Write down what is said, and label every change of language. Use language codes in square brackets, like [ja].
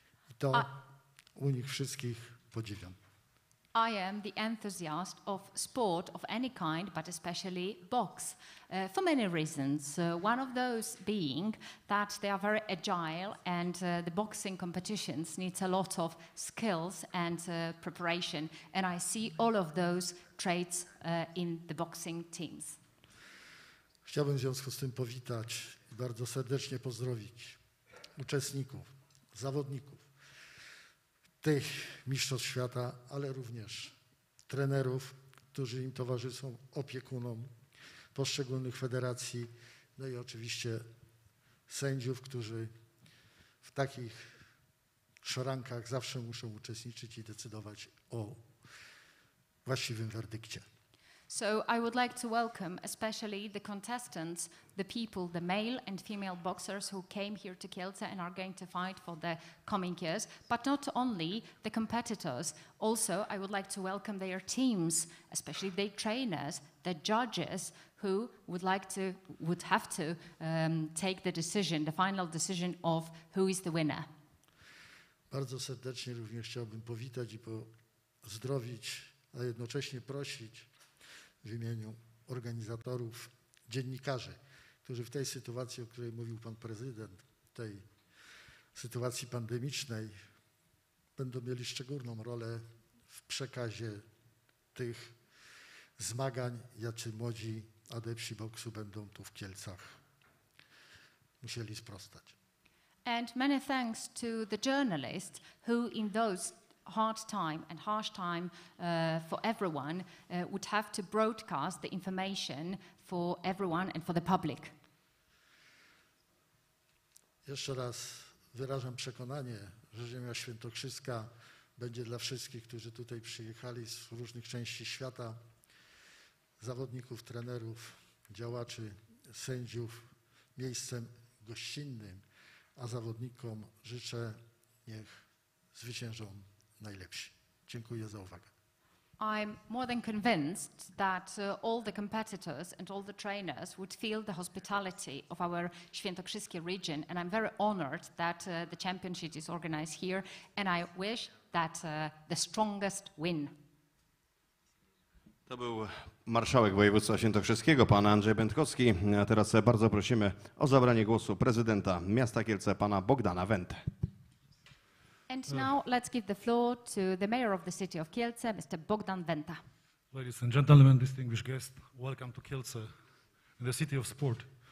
[pl] I to u nich wszystkich podziwiam. [en] I am the enthusiast of sport of any kind, but especially box, for many reasons. One of those being that they are very agile and the boxing competitions needs a lot of skills and preparation. And I see all of those traits in the boxing teams. [pl] Chciałbym w związku z tym powitać i bardzo serdecznie pozdrowić uczestników, zawodników tych mistrzostw świata, ale również trenerów, którzy im towarzyszą, opiekunom poszczególnych federacji, no i oczywiście sędziów, którzy w takich szorankach zawsze muszą uczestniczyć i decydować o właściwym werdykcie. [en] So I would like to welcome especially the contestants, the people, the male and female boxers who came here to Kielce and are going to fight for the coming years, but not only the competitors. Also, I would like to welcome their teams, especially their trainers, the judges, who would have to take the decision, the final decision of who is the winner. [pl] Bardzo serdecznie również chciałbym powitać i pozdrowić, a jednocześnie prosić w imieniu organizatorów, dziennikarzy, którzy w tej sytuacji, o której mówił pan prezydent, tej sytuacji pandemicznej, będą mieli szczególną rolę w przekazie tych zmagań, jacy młodzi adepci boksu będą tu w Kielcach musieli sprostać. [en] And many thanks to the journalists who in those hard time and harsh time for everyone would have to broadcast the information for everyone and for the public. [pl] Jeszcze raz wyrażam przekonanie, że Ziemia Świętokrzyska będzie dla wszystkich, którzy tutaj przyjechali z różnych części świata, zawodników, trenerów, działaczy, sędziów, miejscem gościnnym, a zawodnikom życzę, niech zwyciężą najlepsi. Dziękuję za uwagę. [en] I'm more than convinced that all the competitors and all the trainers would feel the hospitality of our Świętokrzyskie region, and I'm very honored that the championship is organized here, and I wish that the strongest win. [pl] To był marszałek województwa świętokrzyskiego, pan Andrzej Będkowski. A teraz bardzo prosimy o zabranie głosu prezydenta miasta Kielce, pana Bogdana Wentę. [en] And now let's give the floor to the mayor of the city of Kielce, Mr. Bogdan Wenta. Ladies and gentlemen, distinguished guests, welcome to Kielce, the city of sport.